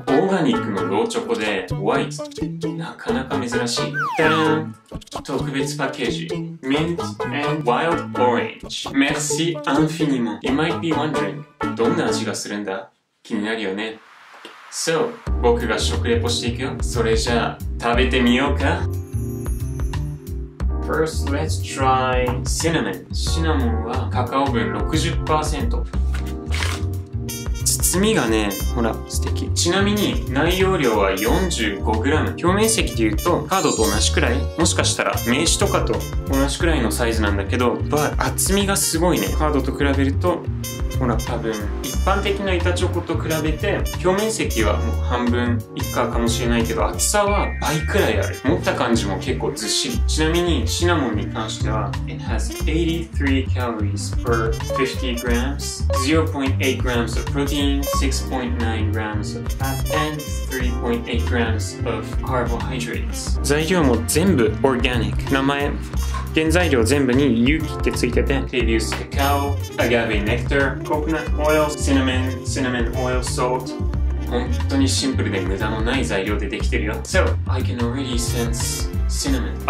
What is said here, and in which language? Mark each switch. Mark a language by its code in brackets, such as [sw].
[ja] オーガニックのローチョコで white ってなかなか珍しい。ダダン、特別パッケージ。Mint and wild orange. [fr] Merci infiniment. [en] You might be wondering, [ja] どんな味がするんだ?気になるよね。 So, 僕が食レポしていくよ。それじゃあ、食べてみようか。 [en] First, let's try cinnamon. [ja] シナモンはカカオ分 60%。包みがね、ほら、素敵。ちなみに、内容量は 45g。表面積で言うと、カードと同じくらい?もしかしたら、名刺とかと同じくらいのサイズなんだけど、厚みがすごいね。カードと比べると、ほら、多分一般的な板チョコと比べて表面積はもう半分以下かもしれないけど、厚さは倍くらいある。持った感じも結構ずっしり。ちなみにシナモンに関しては [en] It has 83 calories per 50 grams 0.8 grams of protein 6.9 grams of fat and 3.8 grams of carbohydrates。 [ja] 材料も全部 organic。名前、原材料全部に有機ってついてて、 [en] They use cacao, agave nectar, coconut oil, cinnamon oil, salt。 [ja] 本当にシンプルで無駄のない材料でできてるよ。 [en] So, I can already sense cinnamon。